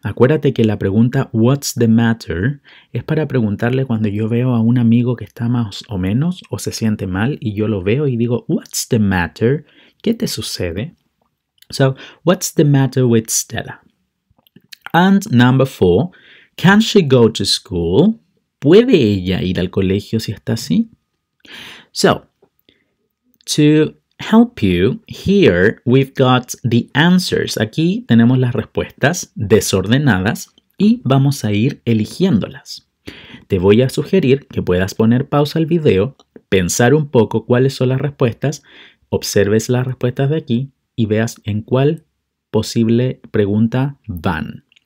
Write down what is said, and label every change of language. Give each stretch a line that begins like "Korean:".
Spanish: Acuérdate que la pregunta
English: What's the matter
Spanish: es para preguntarle cuando yo veo a un amigo que está más o menos o se siente mal y yo lo veo y digo
English: What's the matter?
Spanish: ¿Qué te sucede?
English: So, what's the matter with Stella? And number 4. Can she go to school?
Spanish: ¿Puede ella ir al colegio si está así?
English: So, to help you, here we've got the answers.
Spanish: Aquí tenemos las respuestas desordenadas y vamos a ir eligiéndolas. Te voy a sugerir que puedas poner pausa al video, pensar un poco cuáles son las respuestas, observes las respuestas de aquí y veas en cuál posible pregunta van.